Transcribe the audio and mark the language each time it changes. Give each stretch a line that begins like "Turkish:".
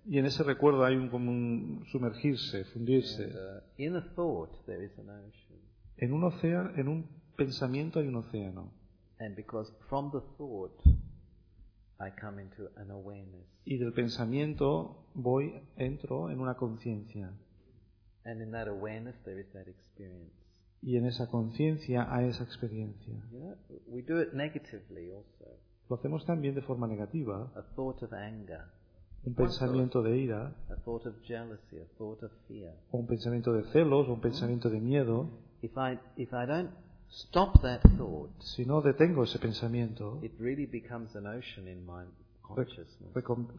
Spanish: Y en ese recuerdo hay como un sumergirse, fundirse.
English: And, in a thought there is an ocean.
Spanish: En un océano, en un pensamiento hay un océano.
English: And because from the thought I come into an awareness.
Spanish: Y del pensamiento entro en una conciencia.
English: And in that awareness there is that experience.
Spanish: y en esa conciencia a esa experiencia.
English: We do it negatively also.
Spanish: Lo hacemos también de forma negativa.
English: A thought of anger.
Spanish: Un pensamiento de ira.
English: A thought of jealousy, a thought of fear.
Spanish: O un pensamiento de celos, o un pensamiento de miedo.
English: If I don't stop that thought,
Spanish: si no detengo ese pensamiento,
English: it really becomes an ocean in my consciousness.